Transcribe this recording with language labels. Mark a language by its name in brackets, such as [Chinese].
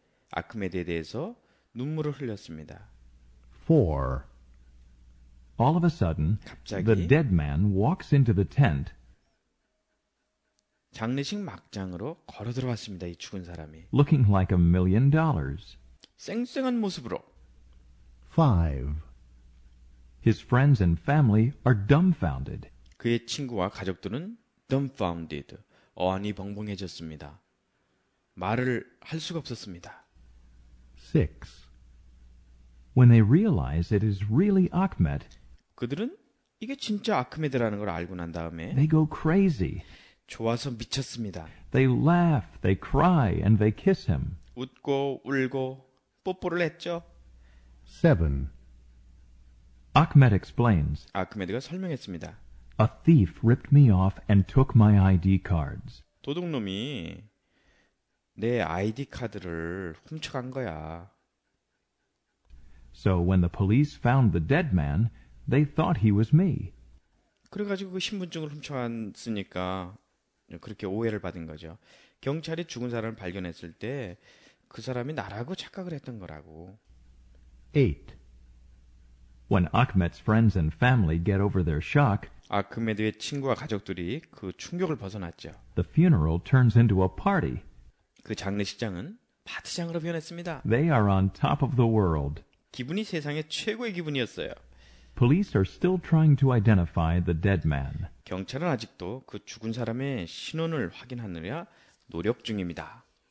[Korean] 아크메드에 대해서 눈물을 흘렸습니다. 4. [English] All of a sudden, the dead man walks into the tent. [Korean] 장례식 막장으로 걸어 들어왔습니다. 이 죽은 사람이. [English] Looking like a million dollars. [Korean] 쌩쌩한 모습으로. 5. [English] His friends and family are dumbfounded. [Korean] 그의 친구와 가족들은 dumbfounded. 어안이 벙벙해졌습니다. 말을 할 수가 없었습니다. 6. [English] When they realize it is really Ahmet, [Korean] 그들은 이게 진짜 아크메드라는 걸 알고 난 다음에 [English] they go crazy. [Korean] 좋아서 미쳤습니다. [English] They laugh, they cry, and they kiss him. [Korean] 웃고 울고 뽀뽀를 했죠. [English] 7. Ahmet explains. [Korean] 아크메드가 설명했습니다. [English] A thief ripped me off and took my ID cards. [Korean] 도둑놈이 내 ID 카드를 훔쳐간 거야. [English] So when the police found the dead man, they thought he was me. [Korean] 그래가지고 그 신분증을 훔쳐왔으니까 그렇게 오해를 받은 거죠. 경찰이 죽은 사람을 발견했을 때 그 사람이 나라고 착각을 했던 거라고. 8. [English] When Ahmet's friends and family get over their shock, [Korean] 아크메드의 친구와 가족들이 그 충격을 벗어났죠. [English] The funeral turns into a party. [Korean] 그 장례식장은 파티장으로 변했습니다. [English] They are on top of the world. [Korean] 기분이 세상의 최고의 기분이었어요. [English] Police are still trying to identify the dead man. [Korean] 경찰은 아직도 그 죽은 사람의 신원을 확인하느라 노력 중입니다.